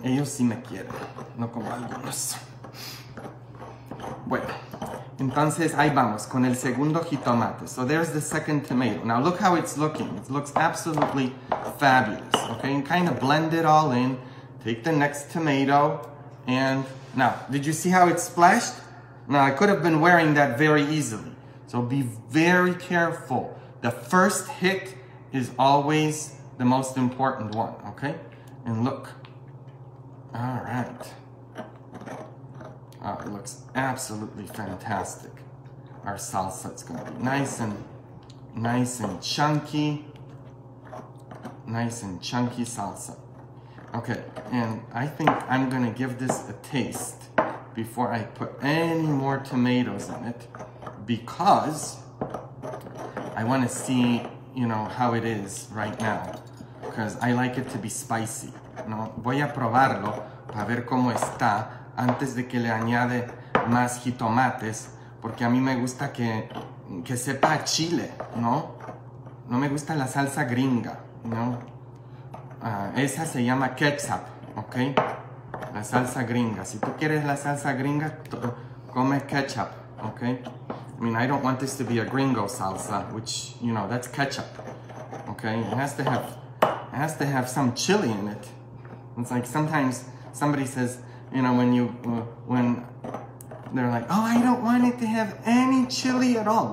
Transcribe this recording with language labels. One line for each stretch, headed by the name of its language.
Spanish: Ellos sí me quieren, no como algunos. Bueno, entonces ahí vamos con el segundo jitomate.
English: So there's the second tomato. Now look how it's looking. It looks absolutely fabulous. Okay, and kind of blend it all in. Take the next tomato. And now, did you see how it splashed? Now, I could have been wearing that very easily. So be very careful. The first hit is always the most important one, okay? And look. All right. Oh, it looks absolutely fantastic. Our salsa is gonna be nice and chunky salsa. Okay, and I think I'm gonna give this a taste before I put any more tomatoes in it, because I wanna see, you know, how it is right now, because I like it to be spicy.
Spanish: No, voy a probarlo para ver cómo está antes de que le añade más jitomates, porque a mí me gusta que sepa a chile, ¿no? No me gusta la salsa gringa, ¿no? Esa se llama ketchup, ¿ok? La salsa gringa. Si tú quieres la salsa gringa, come ketchup, ¿ok?
English: I mean, I don't want this to be a gringo salsa, which, you know, that's ketchup, ¿ok? It has to have some chili in it. It's like sometimes somebody says, you know, when they're like, oh, I don't want it to have any chili at all.